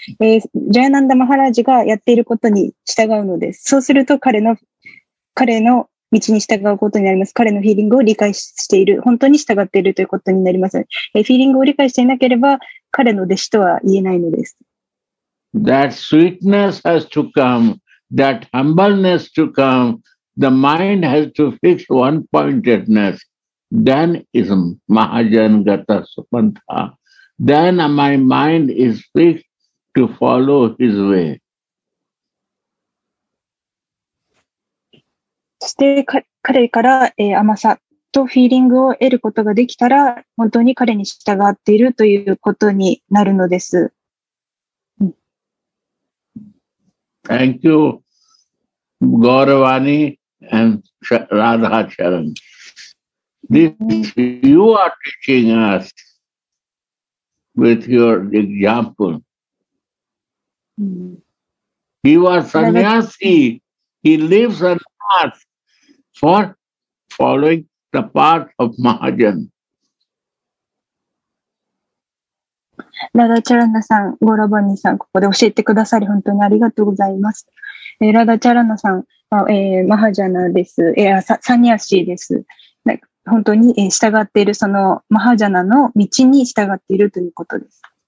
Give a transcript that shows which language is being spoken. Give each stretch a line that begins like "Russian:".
Japanese: ジャヤナンダ・マハラジがやっていることに従うのです。そうすると彼の道に従うことになります。彼のフィーリングを理解している、本当に従っているということになります。フィーリングを理解していなければ、彼の弟子とは言えないのです。
English: That sweetness has to come. That humbleness to come, the mind has to fix one-pointedness. Then is Mahajan Gata Supantha. Then my mind is fixed to follow his way.
Japanese: して彼から、甘さとフィーリングを得ることができたら本当に彼に従っているということになるのです。
English: Thank you, Gauravani and Radha Charan. This you are teaching us with your example. He was sannyasi. He lives on earth for following the path of Mahajan.
Japanese: ラダチャランナさん、ゴラバニさん、ここで教えてくださり本当にありがとうございます。ラダチャランナさん、マハジャナです。サニアシーです。本当に従っている、そのマハジャナの道に従っているということです。